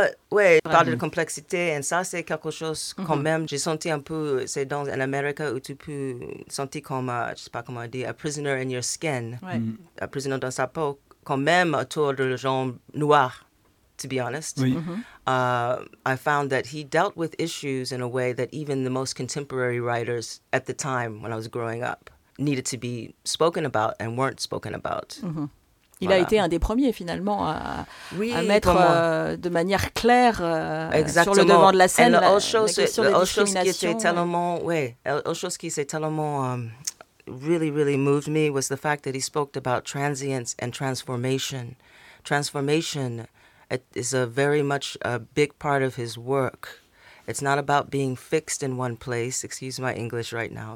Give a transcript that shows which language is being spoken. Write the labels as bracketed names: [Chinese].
[French] Oui, je parle de complexité, et ça, c'est quelque chose quand même. J'ai senti un peu, c'est dans l'Amérique où tu peux sentir comme, je ne sais pas comment dire, [English] a prisoner in your skin. A prisoner [French] dans sa peau, quand même autour de gens noirs, [English] to be honest. I found that he dealt with issues in a way that even the most contemporary writers at the time, when I was growing up, needed to be spoken about and weren't spoken about. [French] Il a été un des premiers, finalement, à mettre de manière claire sur le devant de la scène la question des discriminations. Autre chose qui s'est tellement [English] really, really moved me was the fact that he spoke about transience and transformation. Transformation is a very much a big part of his work. It's not about being fixed in one place. Excuse my English right now.